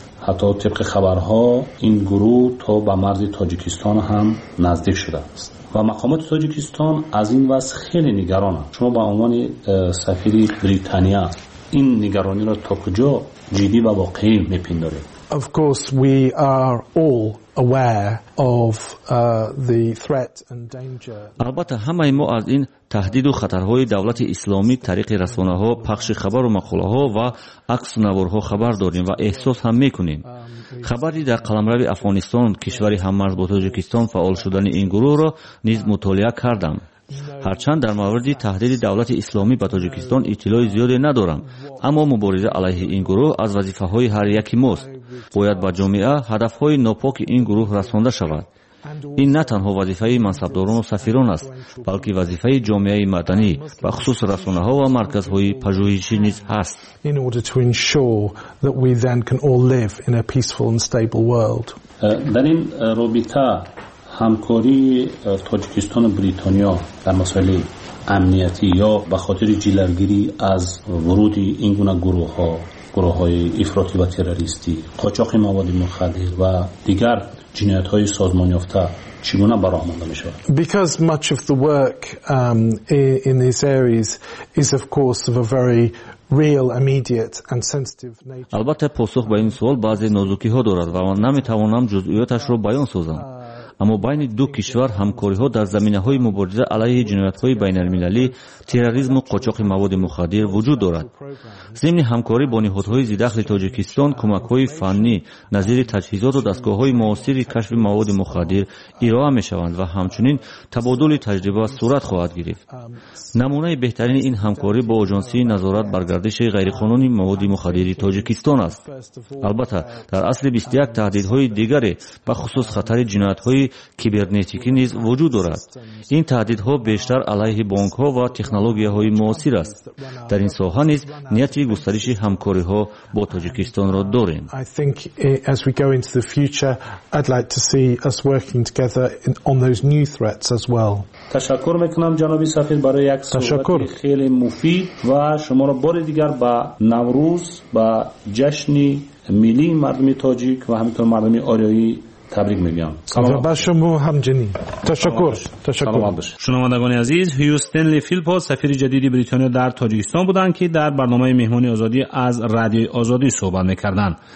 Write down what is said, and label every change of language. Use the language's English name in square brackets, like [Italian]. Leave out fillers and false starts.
[Persian] حتی طبق خبرها این گروه تا به مرز تاجیکستان هم نزدیک شده است و مقامات تاجیکستان از این وضع خیلی نگران هست. شما به عنوان سفیر بریتانیا این نگرانی را تا کجا جدی و واقعی می پندارید؟ [English] Of course we are all aware of the threat and danger. [Persian] البته همه ما از این تهدید و خطرهای دولت اسلامی طریق رسانه ها، پخش خبر و مقاله ها و عکس نوارها خبر داریم و احساس هم میکنیم. خبری در قلمرو افغانستان کشوری هممرز با تاجیکستان فعال شدن این گروه را نیز مطالعه کردم. هرچند در مورد تهدید دولت اسلامی به تاجیکستان اطلاع زیاده ندارم، اما مبارزه علیه این گروه از وظیفه های هر یکی ماست. باید با جامعه هدف های ناپاک این گروه رسانده شود. این نه تنها وظیفه منصبداران و سفیران است، بلکه وظیفه جامعه مدنی و خصوص رسانه ها و مرکز های پژوهشی نیز هست. [English] In order to ensure that we then can all live in a peaceful and stable world. [Persian] در این رابطه همکاری تاجیکستان و بریتانیا در مسائل امنیتی یا به خاطر جلوگیری از ورود این گونه گروه های افراطی و تروریستی، قاچاق مواد مخدر و دیگر جنایت های سازمان یافته چگونه براه مانده می شود؟ [English] Because much of the work in these areas is of course of a very real immediate and sensitive nature. [Persian] البته پاسخ به این سوال بعضی نازکی ها دارد و من نمی توانم جزئیاتش را بیان سازم، اما بین دو کشور همکاری ها در زمینه های مبارزه علیه جنایت های بین المللی، تروریسم و قاچاق مواد مخدر وجود دارد. ضمن همکاری با نهادهای ذی‌دخل تاجیکستان کمک های فنی نظیر تجهیزات و دستگاه های معاصر کشف مواد مخدر ارائه می شوند و همچنین تبادل تجربه صورت خواهد گرفت. نمونه بهترین این همکاری با آژانسی نظارت بر گردش غیرقانونی مواد مخدر تاجیکستان است. البته در اصل 21 تهدیدهای دیگر به خصوص خطر جنایت کیبرنتیکی نیز وجود دارد. این تهدیدها بیشتر علیه بانک ها و تکنولوژی های معاصر است. در این ساحه نیز نیت گسترش همکاری ها با تاجیکستان را داریم. [English] I think as we go into the future I'd like to see us working together on those new threats as well. [Persian] تشکر میکنم جناب سفیر برای یک صحبت خیلی مفید و شما را بار دیگر با نوروز با جشن ملی مردم تاجیک و همینطور مردم آریایی تبریک میگم. سلام به شما همجنی. تشکر. شنوندگان عزیز، هیو استنلی فیلپو سفیر جدید بریتانیا در تاجیکستان بودند که در برنامه مهمانی آزادی از رادیو آزادی صحبت میکردند.